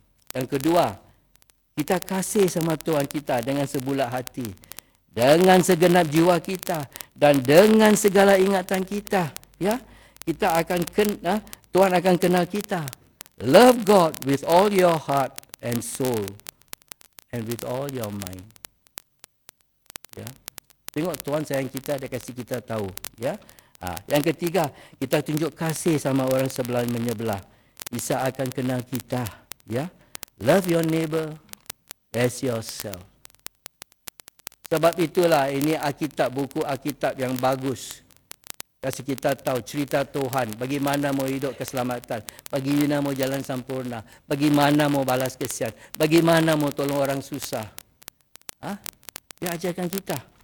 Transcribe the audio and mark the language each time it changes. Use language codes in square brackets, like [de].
[ms] Yang kedua, kita kasih sama Tuhan kita dengan sebulat hati, dengan segenap jiwa kita dan dengan segala ingatan kita, ya. Kita akan kenal, Tuhan akan kenal kita. [en] Love God with all your heart and soul and with all your mind. [ms] Ya. Tengok Tuhan sayang kita, dia kasih kita tahu, ya. Yang ketiga, kita tunjuk kasih sama orang sebelah menyebelah. Isa akan kenal kita, ya. [en] Love your neighbor as yourself. [ms] Sebab itulah ini Alkitab, buku Alkitab yang bagus. Kasih kita tahu cerita Tuhan, bagaimana mau hidup keselamatan, bagaimana mau jalan sempurna, bagaimana mau balas kesian, bagaimana mau tolong orang susah. Dia ajarkan kita.